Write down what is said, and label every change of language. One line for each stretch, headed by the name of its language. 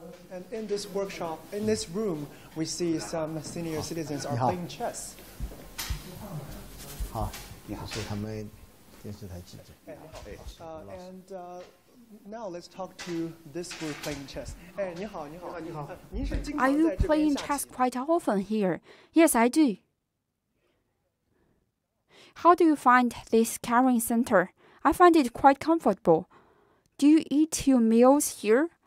English: And in this workshop, in this room, we see some senior citizens are playing chess.
Chinese: 好，你好，是他们电视台记者。
English: Now let's talk to this group playing chess.
Chinese: 哎，你好，你好，你好。
English: Are you playing chess quite often here? Yes, I do. How do you find this caring center? I find it quite comfortable. Do you eat your meals here?